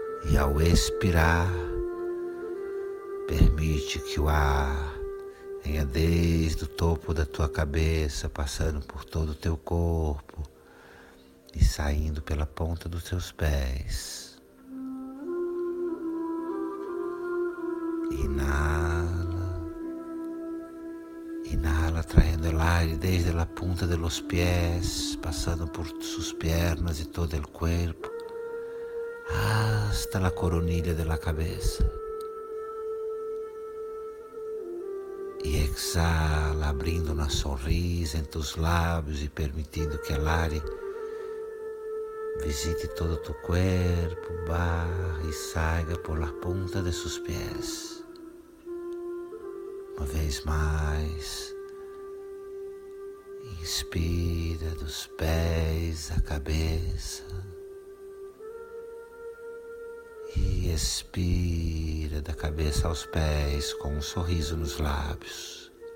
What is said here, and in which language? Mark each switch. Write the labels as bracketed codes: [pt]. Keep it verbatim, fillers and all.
[pt] E ao expirar, permite que o ar venha desde o topo da tua cabeça, passando por todo o teu corpo e saindo pela ponta dos teus pés. [es] Inala, inala, trazendo el aire desde la punta de los pies, pasando por sus piernas y todo el cuerpo, hasta la coronilla de la cabeza. Y exhala, abriendo una sonrisa en tus labios y permitiendo que el aire visite todo tu cuerpo, baja y salga por la punta de sus pies. Una vez más. [pt] Inspira dos pés à cabeça e expira da cabeça aos pés com um sorriso nos lábios.